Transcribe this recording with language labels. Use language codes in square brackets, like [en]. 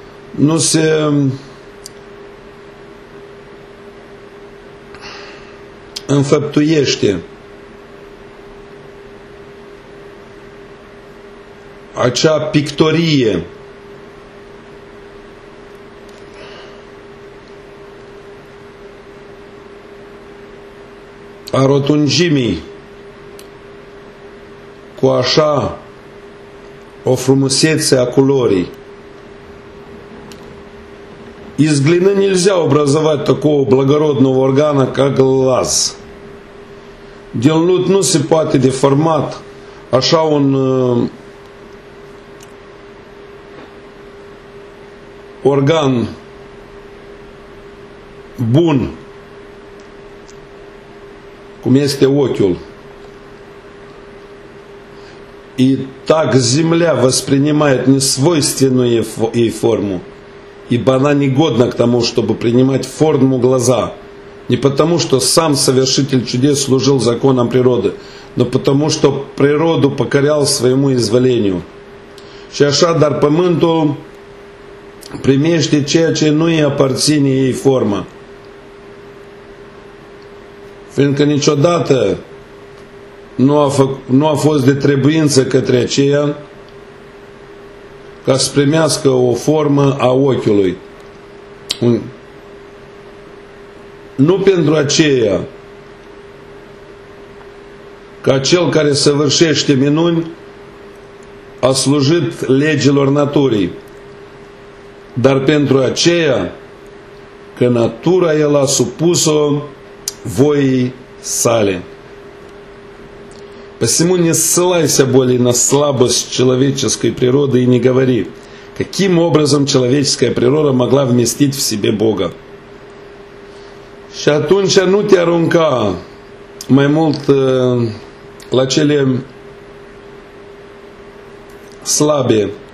[ro] Nu se înfăptuiește acea pictorie a rotunjimii cu așa o frumusețe a culorii. [ru] Из глины нельзя образовать такого благородного органа, как глаз. [ro] Din lut nu se poate deforma așa un organ bun, cum este ochiul. [ru] И так земля воспринимает несвойственную ей форму, ибо она негодна к тому, чтобы принимать форму глаза. Не потому, что сам совершитель чудес служил законам природы, но потому, что природу покорял своему изволению. [ro] Și așa, dar pământul primește ceea ce nu îi aparține ei formă. Fiindcă niciodată nu a fost de trebuință către aceea ca să primească o formă a ochiului. Nu pentru aceea ca cel care săvârșește minuni a slujit legilor naturii, dar pentru aceea că natura el a supus-o voii sale. [ru] Посему не ссылайся более на слабость человеческой природы и не говори, каким образом человеческая природа могла вместить в себе Бога. [ro] Și atunci nu te arunca mai mult la cele slabe,